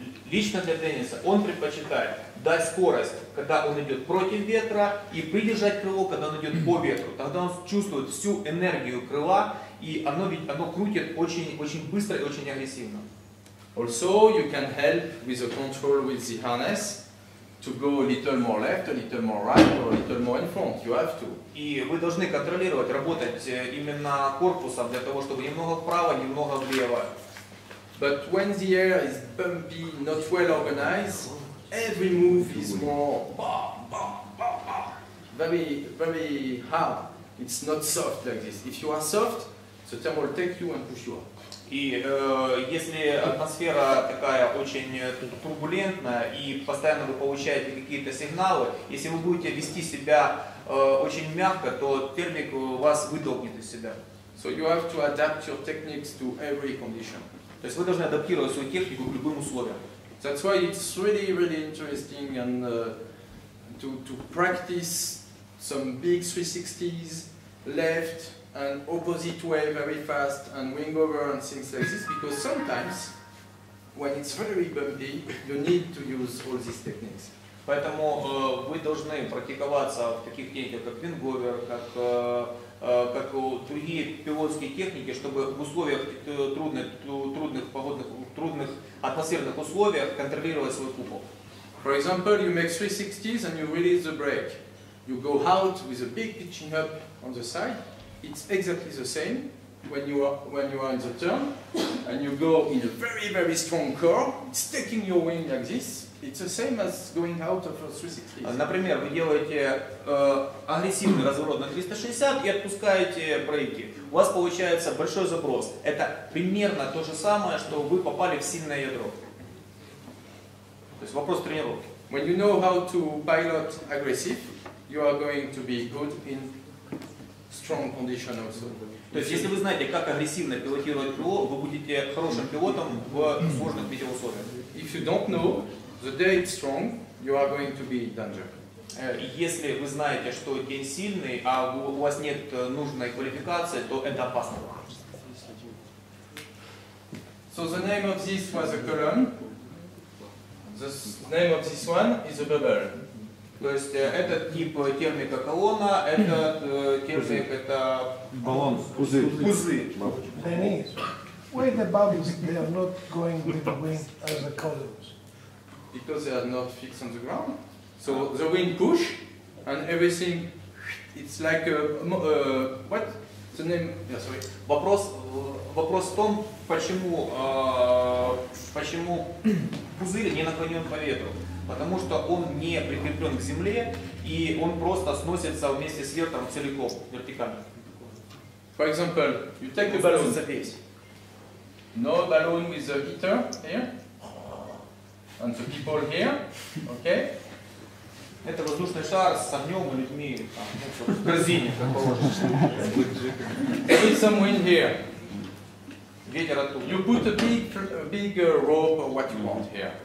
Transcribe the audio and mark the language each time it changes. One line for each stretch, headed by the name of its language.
Russian: Лично для Денниса он предпочитает дать скорость, когда он идет против ветра, и придержать крыло, когда он идет по ветру. Тогда он чувствует всю энергию крыла, и оно крутит очень быстро и очень агрессивно.
English: Also, you can help with the control with the harness to go a little more left, a little more right, or a little more in front. You have to.
Russian: И вы должны контролировать, работать именно корпусом для того, чтобы немного вправо, немного влево.
English: But when the air is bumpy, not well organized, every move is more very, very hard. It's not soft like this. If you are soft, the thermal will take you and push you up.
Russian: И если атмосфера такая очень турбулентная и постоянно вы получаете какие-то сигналы, если вы будете вести себя очень мягко, то термик вас вытолкнет из себя.
English: So you have to adapt your techniques to every condition.
Russian: То есть вы должны адаптировать свою технику к любым условиям.
English: That's why it's really, really interesting and to practice some big 360s, left and opposite way very fast and wing over and things like this, because sometimes when it's very bumpy, you need to use all these techniques.
Russian: Поэтому вы должны практиковаться в таких техниках, как wing over, как другие пилотские техники, чтобы в условиях трудных атмосферных условиях контролировать свой купол.
English: For example, you make 360s and you release the brake. You go out with a big pitching up on the side. It's exactly the same when you are in the turn and you go in a very, very strong curve. It's taking your wing like this. It's the same as going out of a 360.
Russian: Например, вы делаете агрессивный разворот на 360 и отпускаете брейки. У вас получается большой заброс. Это примерно то же самое, что вы попали в сильное ядро. То есть вопрос тренировки.
English: When you know how to pilot aggressive, you are going to be good in strong condition also.
Russian: То есть если вы знаете, как агрессивно пилотировать крыло, вы будете хорошим пилотом в сложных метеоусловиях.
English: If you don't know, the day it's strong, you are going to be in danger.
Russian: Если вы знаете, что день сильный, а у вас нет нужной квалификации, то это опасно.
English: So the name of this was a column. The name of this one is a bubble.
Russian: То есть этот тип термика колонна, этот термик это баллон, пузырь.
English: Денис, why the bubbles they are not going with the wind as the columns? Because they are not fixed on the ground, so the wind push and everything, it's like what? The name? Yeah, sorry.
Russian: Вопрос в том, почему пузырь не наклонен по ветру? Потому что он не прикреплен к земле и он просто сносится вместе с ветром целиком вертикально.
English: For example, you take the balloon. No balloon with the heater here. And the people here, okay?
Russian: Это воздушный шар с огнем и людьми там, в корзине, как
English: положено. There is some wind here.
Russian: Ветер оттуда.
English: You put a bigger rope or what you want here.